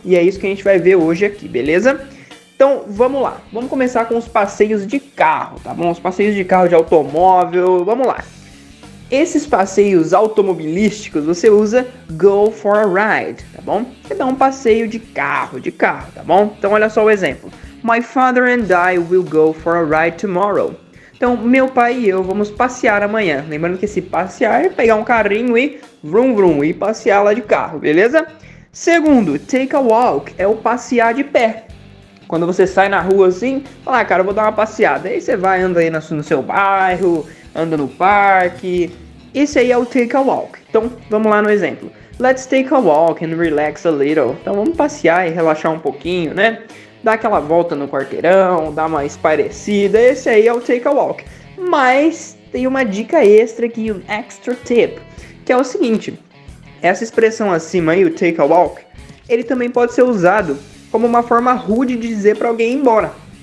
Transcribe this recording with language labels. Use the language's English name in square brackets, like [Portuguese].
[Portuguese] E é isso que a gente vai ver hoje aqui, beleza? Então, vamos lá. Vamos começar com os passeios de carro, tá bom? Os passeios de carro, de automóvel, vamos lá. Esses passeios automobilísticos, você usa go for a ride, tá bom? Você dá um passeio de carro, tá bom? Então, olha só o exemplo. [English] My father and I will go for a ride tomorrow. [Portuguese] Então, meu pai e eu vamos passear amanhã. Lembrando que esse passear é pegar um carrinho e vrum vrum, e passear lá de carro, beleza? Segundo, take a walk, é o passear de pé. Quando você sai na rua assim, fala, ah, cara, eu vou dar uma passeada. Aí você vai, anda aí no seu bairro, anda no parque. Esse aí é o take a walk. Então, vamos lá no exemplo. [English] Let's take a walk and relax a little. [Portuguese] Então, vamos passear e relaxar um pouquinho, né? Dá aquela volta no quarteirão, dá uma espairecida. Esse aí é o take a walk. Mas tem uma dica extra aqui, um extra tip, que é o seguinte. Essa expressão acima aí, o take a walk, ele também pode ser usado como uma forma rude de dizer para alguém ir embora.